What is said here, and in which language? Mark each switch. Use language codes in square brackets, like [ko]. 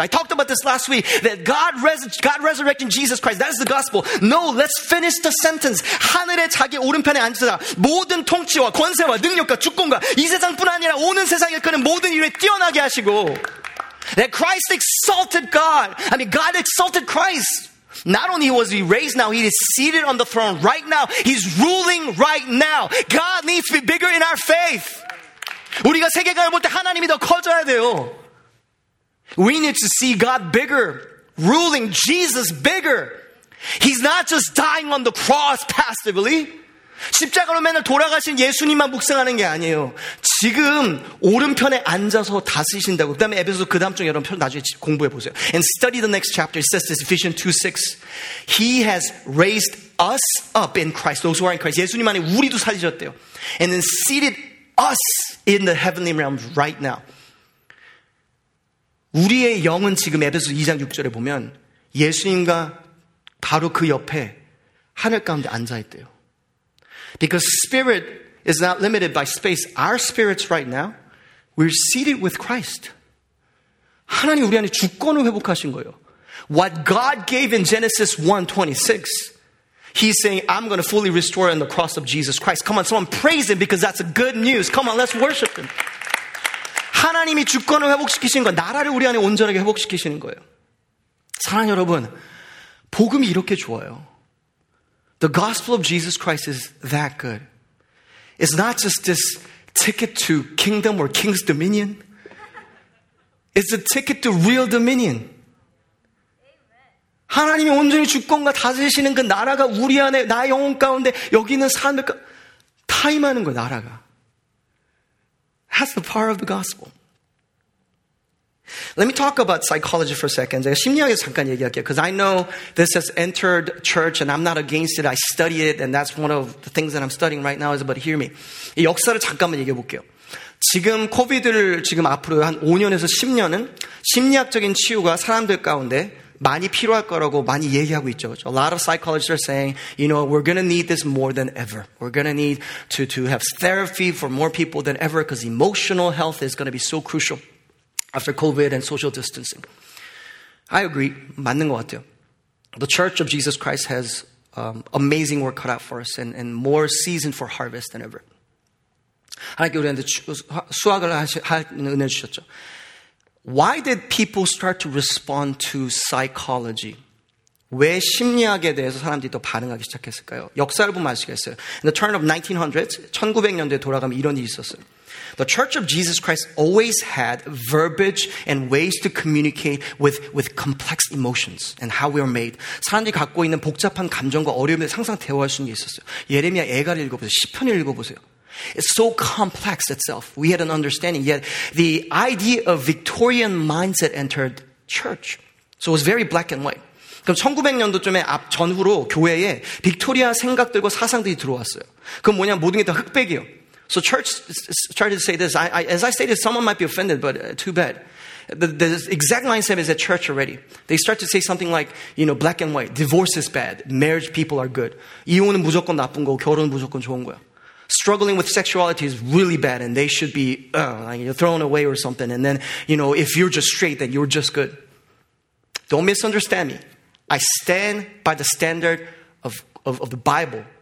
[en] I talked about this last week that God resurrected Jesus Christ. That is the gospel. No, let's finish the sentence. [ko] 하늘에 자기 오른편에 앉으사 모든 통치와 권세와 능력과 주권과 이 세상뿐 아니라 오는 세상에 그는 모든 일에 뛰어나게 하시고 [en] that Christ exalted God. I mean God exalted Christ. Not only was he raised now, he is seated on the throne right now. He's ruling right now. God needs to be bigger in our faith. [ko] 우리가 세계관을 볼 때 하나님이 더 커져야 돼요. [en] We need to see God bigger, ruling Jesus bigger. He's not just dying on the cross passively. [ko] 십자가로 맨날 돌아가신 예수님만 묵상하는 게 아니에요. 지금 오른편에 앉아서 다스리신다고. 그다음에 에베소서 그다음 중에 여러분 나중에 공부해 보세요. [en] And study the next chapter. It says this, Ephesians 2:6. He has raised us up in Christ. Those who are in Christ. [ko] 예수님 안에 우리도 살리셨대요. [en] And then seated us in the heavenly realms right now. [ko] 우리의 영은 지금 에베소서 2장 6절에 보면 예수님과 바로 그 옆에 하늘 가운데 앉아 있대요. [en] Because spirit is not limited by space. Our spirits right now, we're seated with Christ. [ko] 하나님 우리 안에 주권을 회복하신 거예요. [en] What God gave in Genesis 1:26, he's saying, I'm going to fully restore on the cross of Jesus Christ. Come on, someone praise him because that's a good news. Come on, let's worship him. [ko] 하나님이 주권을 회복시키신 건 나라를 우리 안에 온전하게 회복시키시는 거예요. 사랑하는 여러분, 복음이 이렇게 좋아요. [en] The gospel of Jesus Christ is that good. It's not just this ticket to kingdom or king's dominion. It's a ticket to real dominion. Amen. [ko] 하나님이 온전히 주권과 다스리시는 그 나라가 우리 안에 나 영혼 가운데 여기 있는 사람들 다 임하는 거 나라가. [en] That's the power of the gospel. Let me talk about psychology for a second. [ko] 제가 심리학에 잠깐 얘기할게요. [en] Because I know this has entered church and I'm not against it. I study it and that's one of the things that I'm studying right now is about hear me. [ko] 이 역사를 잠깐만 얘기해 볼게요. 지금 코비드를 지금 앞으로 한 5년에서 10년은 심리학적인 치유가 사람들 가운데 많이 필요할 거라고 많이 얘기하고 있죠. [en] A lot of psychologists are saying, you know, we're going to need this more than ever. We're going to need to have therapy for more people than ever because emotional health is going to be so crucial. After COVID and social distancing. I agree. [ko] 맞는 것 같아요. [en] The Church of Jesus Christ has amazing work cut out for us and more season for harvest than ever. [ko] 하나님께 우리한테 수확을 하시는 은혜 주셨죠. [en] Why did people start to respond to psychology? [ko] 왜 심리학에 대해서 사람들이 또 반응하기 시작했을까요? 역사를 보면 아시겠어요. [en] In the turn of 1900s, [ko] 1900년대에 돌아가면 이런 일이 있었어요. [en] The Church of Jesus Christ always had verbiage and ways to communicate with complex emotions and how we are made. [ko] 사람들이 갖고 있는 복잡한 감정과 어려움에 항상 대화할 수 있는 게 있었어요. 예레미야 애가를 읽어보세요. 시편을 읽어보세요. [en] It's so complex itself. We had an understanding. Yet the idea of Victorian mindset entered church. So it was very black and white. [ko] 그럼 1900년도쯤에 앞 전후로 교회에 빅토리아 생각들과 사상들이 들어왔어요. 그럼 뭐냐, 모든 게 다 흑백이요. [en] So church started to say this. As I stated, someone might be offended, but too bad. The exact mindset is at church already. They start to say something like, you know, black and white. Divorce is bad. Marriage people are good. [ko] 이혼은 무조건 나쁜 거고 결혼은 무조건 좋은 거야. [en] Struggling with sexuality is really bad and they should be thrown away or something. And then, you know, if you're just straight, then you're just good. Don't misunderstand me. I stand by the standard of the Bible.